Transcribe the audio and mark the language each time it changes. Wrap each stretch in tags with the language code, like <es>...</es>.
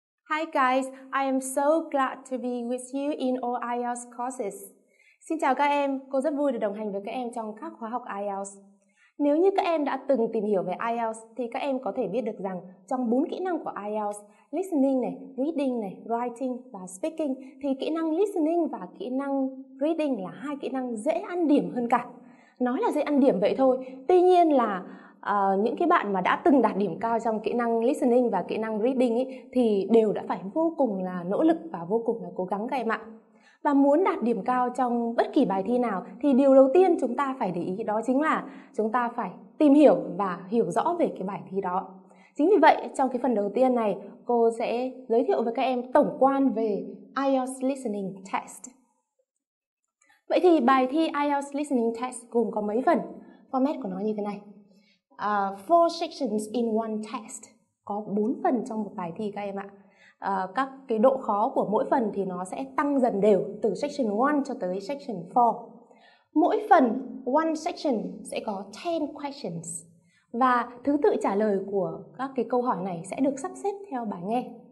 <en>Hi guys, I am so glad to be with you in all IELTS courses.</en> <vi>Xin chào các em, cô rất vui được đồng hành với các em trong các khóa học IELTS. Nếu như các em đã từng tìm hiểu về IELTS thì các em có thể biết được rằng trong 4 kỹ năng của IELTS, listening này, reading này, writing và speaking thì kỹ năng listening và kỹ năng reading là hai kỹ năng dễ ăn điểm hơn cả. Nói là dễ ăn điểm vậy thôi, tuy nhiên là những cái bạn mà đã từng đạt điểm cao trong kỹ năng listening và kỹ năng reading ý, thì đều đã phải vô cùng là nỗ lực và vô cùng là cố gắng các em ạ. Và muốn đạt điểm cao trong bất kỳ bài thi nào thì điều đầu tiên chúng ta phải để ý đó chính là chúng ta phải tìm hiểu và hiểu rõ về cái bài thi đó. Chính vì vậy trong cái phần đầu tiên này cô sẽ giới thiệu với các em tổng quan về IELTS Listening Test. Vậy thì bài thi IELTS Listening Test gồm có mấy phần? Format của nó như thế này.</vi> <en>Four sections in one test.</en> <vi>Có 4 phần trong một bài thi các em ạ. Các cái độ khó của mỗi phần thì nó sẽ tăng dần đều từ section 1 cho tới section 4. Mỗi phần,</vi> <en>one section,</en> <vi>sẽ có 10 questions. Và thứ tự trả lời của các cái câu hỏi này sẽ được sắp xếp theo bài nghe.</vi>